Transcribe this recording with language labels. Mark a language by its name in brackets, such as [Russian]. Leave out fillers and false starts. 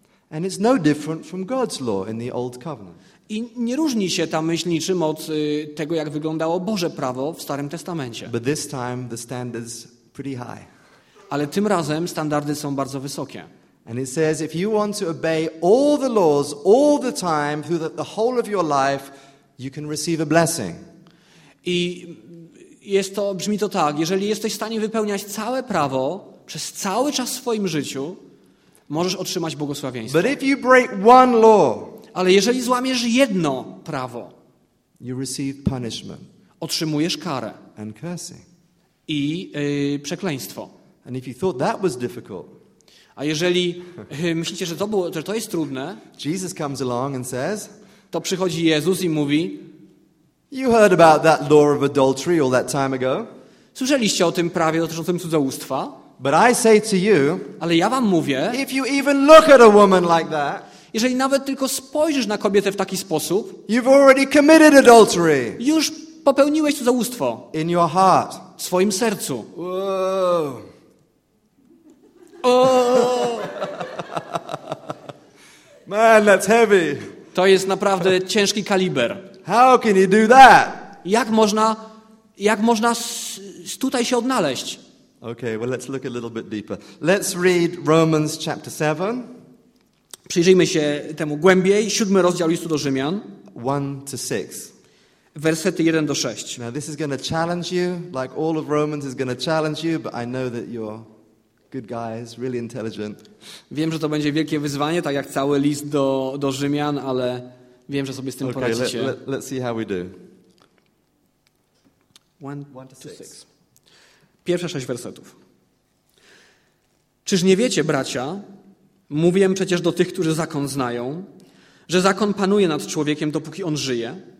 [English] And it's no different from God's law in the Old Covenant. [Polish] I nie różni się ta myśl niczym od tego, jak wyglądało Boże prawo w Starym Testamencie. [English] But this time the standard's pretty high. [Polish] Ale tym razem standardy są bardzo wysokie. [English] And it says if you want to obey all the laws all the time through the whole of your life, you can receive a blessing. [Polish] I jest to, brzmi to tak, jeżeli jesteś w stanie wypełniać całe prawo przez cały czas w swoim życiu, możesz otrzymać błogosławieństwo. [English] But if you break one law, [Polish] ale jeżeli złamiesz jedno prawo, [English] you receive punishment, [Polish] otrzymujesz karę [English] and cursing, [Polish] i przekleństwo. [English] And if you thought that was difficult, [Polish] a jeżeli myślicie, że to jest trudne, [English] Jesus comes along and says, [Polish] to przychodzi Jezus i mówi, [English] you heard about that law of adultery all that time ago? [Polish] Słyszeliście o tym prawie dotyczącym cudzołóstwa? [English] But I say to you, [Polish] ale ja wam mówię, [English] if you even look at a woman like that, [Polish] jeżeli nawet tylko spojrzysz na kobietę w taki sposób, [English] you've already committed adultery. [Polish] Już popełniłeś cudzołóstwo. [English] In your heart. [Polish] W swoim sercu. Whoa. Oh. [English] Man, that's heavy. [Polish] To jest naprawdę ciężki kaliber. [English] How can you do that? [Polish] Jak można tutaj się odnaleźć? [English] Okay, well let's look a little bit deeper. Let's read Romans chapter 7. [Polish] Przyjrzyjmy się temu głębiej. Siódmy rozdział listu do Rzymian. [English] 1 to 6. [Polish] Wersety 1 do 6. [English] Now this is going to challenge you, like all of Romans is going to challenge you, but I know that you're good guys, really intelligent. [Polish] Wiem, że to będzie wielkie wyzwanie, tak jak cały list do Rzymian, ale wiem, że sobie z tym [English] okay, [Polish] poradzicie. [English] Let's see how we do. 1 to 6. [Polish] Pierwsze 6 wersetów. Czyż nie wiecie, bracia, mówię przecież do tych, którzy zakon znają, że zakon panuje nad człowiekiem, dopóki on żyje?